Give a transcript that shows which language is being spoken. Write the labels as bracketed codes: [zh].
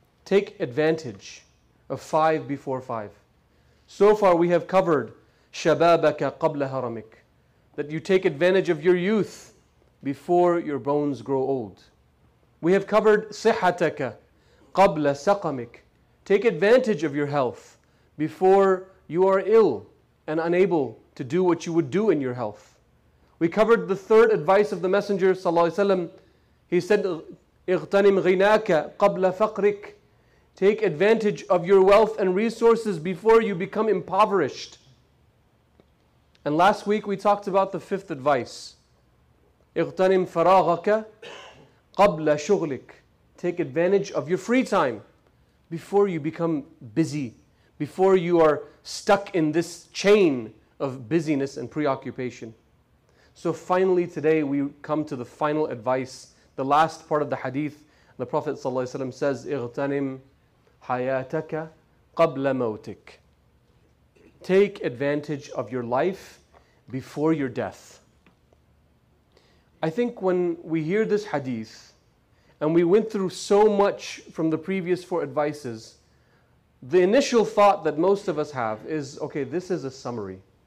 [en] Take advantage of five before five. So far we have covered [ar] شبابك قبل هرمك, [en] that you take advantage of your youth before your bones grow old. We have covered [ar] صحتك قبل سقمك. [en] Take advantage of your health before you are ill and unable to do what you would do in your health. We covered the third advice of the Messenger sallallahu alaihi wasallam. He said, [ar] اغتنم غناك قبل فقرك. [en] Take advantage of your wealth and resources before you become impoverished. And last week we talked about the fifth advice. [ar] اغتنم فراغك قبل شغلك. [en] Take advantage of your free time before you become busy, before you are stuck in this chain of busyness and preoccupation. So finally today we come to the final advice, the last part of the hadith. The Prophet ﷺ says, [ar] اغتنم حياتك قبل موتك. [en] Take advantage of your life before your death. I think when we hear this hadith, and we went through so much from the previous four advices, the initial thought that most of us have is, okay, this is a summary.